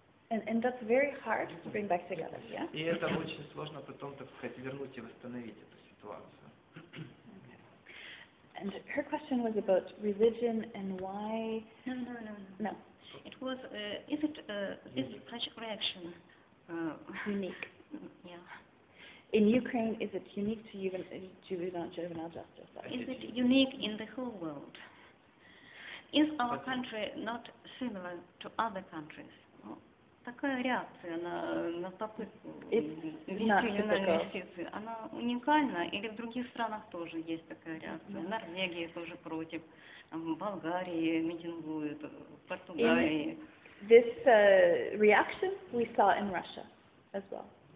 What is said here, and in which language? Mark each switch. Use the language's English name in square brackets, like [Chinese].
[English] And that's very hard to bring back together, yeah? [Russian] И это очень сложно потом, так сказать, вернуть и восстановить эту ситуацию. [English] Okay. And her question was about religion and why... No. It was, is it such a reaction unique? Yeah. In Ukraine, is it unique to juvenile justice? Is it unique in the whole world? Is our country not similar to other countries? [Russian] Такая реакция на попытку инвестиций, она уникальна? Или в других странах тоже есть такая реакция? В Норвегии тоже против, в Болгарии митингуют, в Португалии. [English] This reaction we saw in Russia as well.